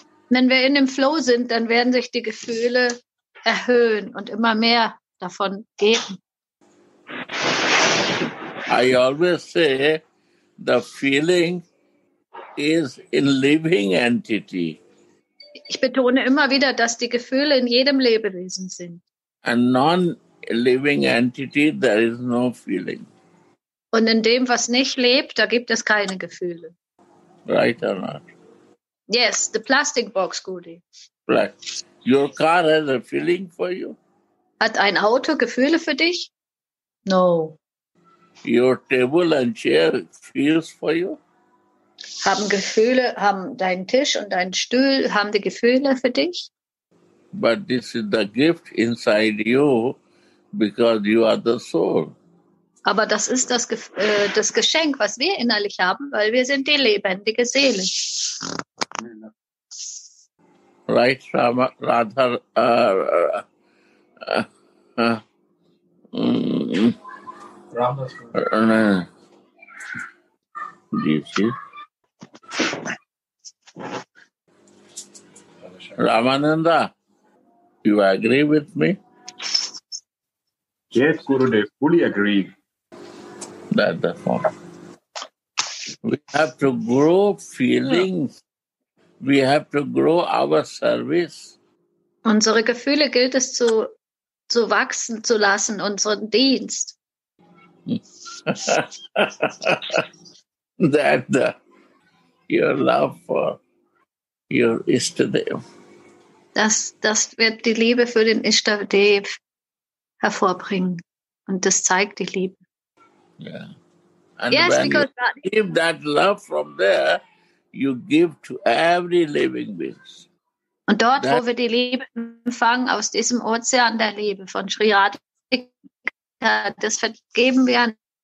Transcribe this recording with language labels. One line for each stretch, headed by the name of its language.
German: Wenn wir in dem Flow sind, dann werden sich die Gefühle erhöhen und immer mehr davon geben.
English: I always say the feeling is a living entity.
German: Ich betone immer wieder, dass die Gefühle in jedem Lebewesen sind.
English: A non-living entity, there is no feeling.
German: Und in dem, was nicht lebt, da gibt es keine Gefühle.
English: Right or not? Yes, the plastic box, Gudi. Right. Your car has a feeling for you?
German: Hat ein Auto Gefühle für dich?
English: No. Your table and chair feels for you?
German: Haben Gefühle, haben dein Tisch und dein Stuhl, haben die Gefühle für dich?
English: But this is the gift inside you, because you are the soul.
German: Aber das ist das Geschenk, was wir innerlich haben, weil wir sind die lebendige Seele.
English: Right, Rama, Radha, Ramananda, you agree with me? Yes, Gurudev, fully agree. That the form. We have to grow feelings. Yeah. We have to grow our service.
German: Unsere Gefühle gilt es zu wachsen zu lassen, unseren Dienst.
English: That the, your love for your Ishtadev.
German: Das wird die Liebe für den Ishtadev hervorbringen. Und das zeigt die Liebe.
English: Yeah. And yes, when because you give that love from there, you give to every living being.
German: Und dort, that, wo wir die Liebe empfangen, aus diesem Ozean der Liebe von Sri Radhika, das vergeben wir an